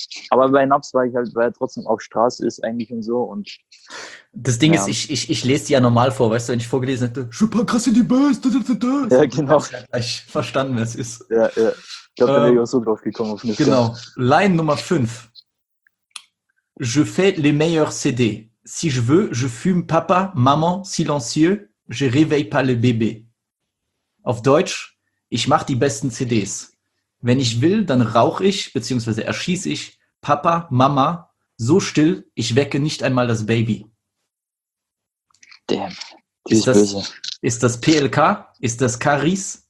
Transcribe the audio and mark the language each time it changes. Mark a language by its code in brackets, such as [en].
[de] Aber bei Naps war ich halt, weil er trotzdem auf Straße ist eigentlich und so. Und das Ding ist, ich lese die ja normal vor, weißt du, wenn ich vorgelesen hätte, super krass in die Bass, Ja, genau. Ich habe verstanden, wer es ist. Ja, ja. Ich glaube, da wäre ich auch so drauf gekommen auf Niska. Genau. Line Nummer 5. [fr] Je fais les meilleurs CD. Si je veux, je fume Papa, Maman, silencieux, je réveille pas le bébé. [de] Auf Deutsch. Ich mache die besten CDs. Wenn ich will, dann rauche ich bzw. erschieße ich Papa, Mama so still, ich wecke nicht einmal das Baby. [en] Damn, [de] ist das böse. Ist das PLK? Ist das Karis?